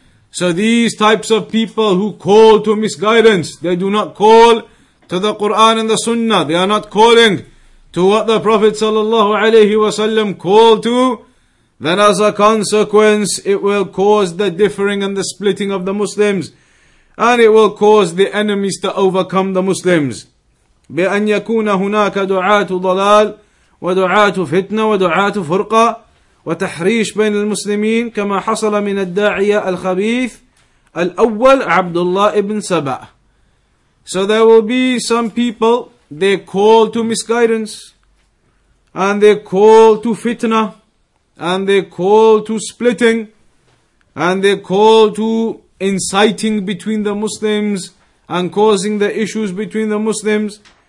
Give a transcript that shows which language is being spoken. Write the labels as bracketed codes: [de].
[en] So these types of people who call to misguidance, they do not call to the Quran and the Sunnah, they are not calling to what the Prophet sallallahu alaihi wasallam called to, then as a consequence, it will cause the differing and the splitting of the Muslims, and it will cause the enemies to overcome the Muslims. [ar] بأن يكون هناك دعاة ضلال ودعاة فتنة ودعاة فرقة وتحريش بين المسلمين كما حصل من الداعية الخبيث الأول عبد الله بن سبع. [en] So there will be some people, they call to misguidance, and they call to fitna, and they call to splitting, and they call to inciting between the Muslims, and causing the issues between the Muslims.